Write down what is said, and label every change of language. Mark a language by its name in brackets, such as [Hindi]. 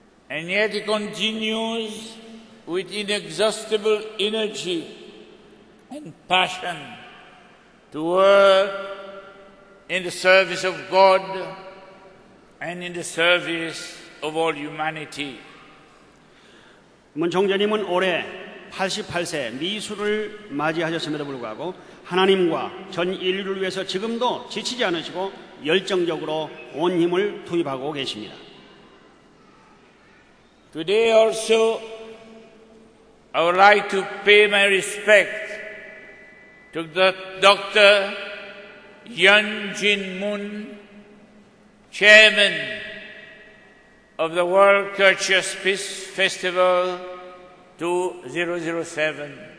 [English] And yet he continues with inexhaustible energy and passion to work in the service of God and in the service of all humanity. [Korean] 문 총재님은 올해 88세 미술을 맞이하셨음에도 불구하고 하나님과 전 인류를 위해서 지금도 지치지 않으시고 열정적으로 온 힘을 투입하고 계십니다. [English] Today also I would like to pay my respect to the Dr. Yeon Jin Moon, Chairman of the World Courteous Peace Festival 2007.